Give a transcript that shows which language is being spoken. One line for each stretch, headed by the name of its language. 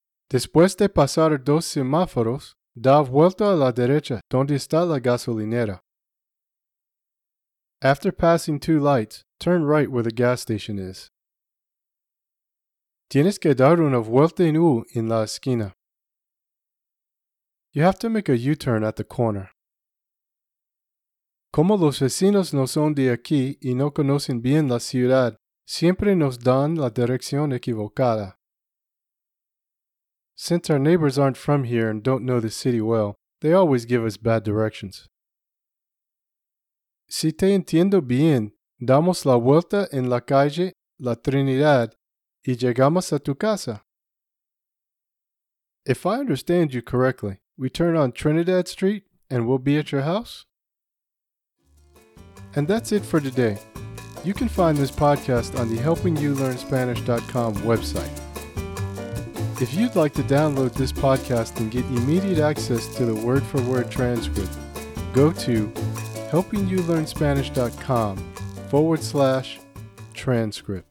Spanish: Después de pasar dos semáforos, da vuelta a la derecha donde está la gasolinera.
English: After passing two lights, turn right where the gas station is.
Spanish: Tienes que dar una vuelta en U en la esquina.
English: You have to make a U-turn at the corner.
Spanish: Como los vecinos no son de aquí y no conocen bien la ciudad, siempre nos dan la dirección equivocada.
English: Since our neighbors aren't from here and don't know the city well, they always give us bad directions.
Spanish: Si te entiendo bien, damos la vuelta en la calle La Trinidad y llegamos a tu casa.
English: If I understand you correctly, we turn on Trinidad Street and we'll be at your house? And that's it for today. You can find this podcast on the HelpingYouLearnSpanish.com website. If you'd like to download this podcast and get immediate access to the word-for-word transcript, go to HelpingYouLearnSpanish.com/transcript.